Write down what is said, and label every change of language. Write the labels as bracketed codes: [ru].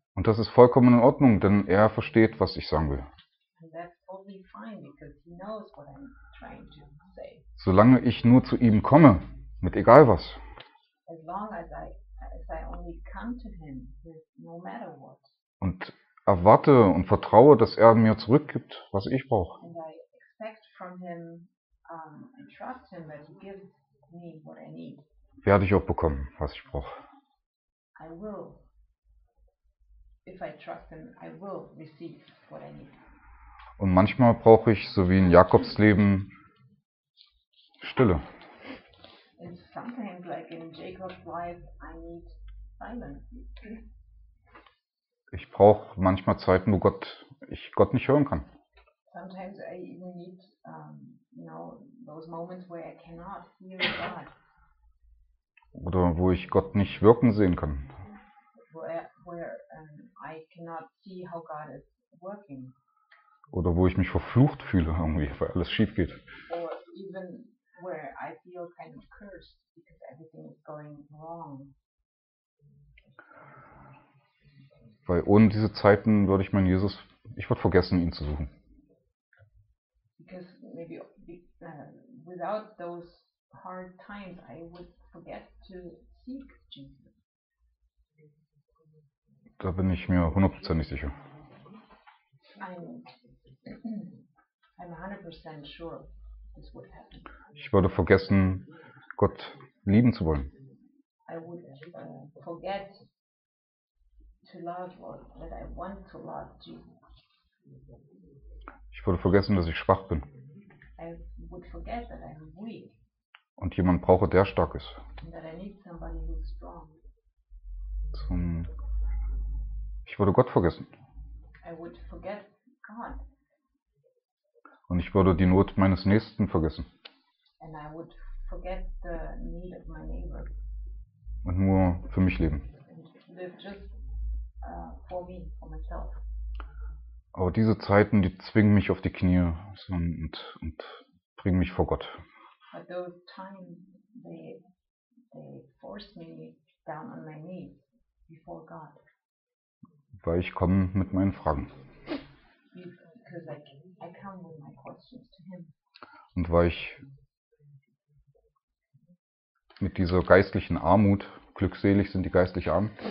[de] Und das ist vollkommen in Ordnung, denn er versteht, was ich sagen will. [en] And that's totally fine because he knows what I'm trying to say. [de] Solange ich nur zu ihm komme, mit egal was. [en] As long as I only come to him with no matter what. [de] Und erwarte und vertraue, dass er mir zurückgibt, was ich brauche. [en] And I expect from him, and trust him that he gives me what I need. [de] Werde ich auch bekommen, was ich brauche. [en] I will. If I trust him, I will receive what I need. [de] Und manchmal brauche ich, so wie in Jakobs Leben, Stille. [en] And sometimes, like in Jacob's life, I need silence. [de] Ich brauche manchmal Zeiten, wo ich Gott nicht hören kann. [en] Sometimes I even need, you know, those moments where I cannot hear God. [de] Oder wo ich Gott nicht wirken sehen kann. [en] Where I cannot see how God is working. [de] Oder wo ich mich verflucht fühle, irgendwie, weil alles schief geht. [en] Or even where I feel kind of cursed because everything is going wrong. [de] Weil ohne diese Zeiten würde ich meinen Jesus, ich würde vergessen, ihn zu suchen. [en] Because maybe without those hard times I would forget to seek Jesus. [de] Da bin ich mir hundertprozentig sicher. [en] I'm 100% sure. [de] Ich würde vergessen, Gott lieben zu wollen. [en] I would forget to love or that I want to love Jesus. [de] Ich würde vergessen, dass ich schwach bin. [en] I would forget that I'm weak. [de] Und jemand brauche, der stark ist. [en] And that I need somebody who's strong. [de] Ich würde Gott vergessen. [en] I would forget God. [de] Und ich würde die Not meines Nächsten vergessen. [en] And I would forget the need of my neighbor. [de] Und nur für mich leben. [en] And live just for me, for myself. [de] Aber diese Zeiten, die zwingen mich auf die Knie und bringen mich vor Gott. [en] But those times, they force me down on my knees before God. [de] Weil ich komme mit meinen Fragen. [en] Because I come with my questions to him. [de] Und weil ich mit dieser geistlichen Armut, glückselig sind die geistlich arm.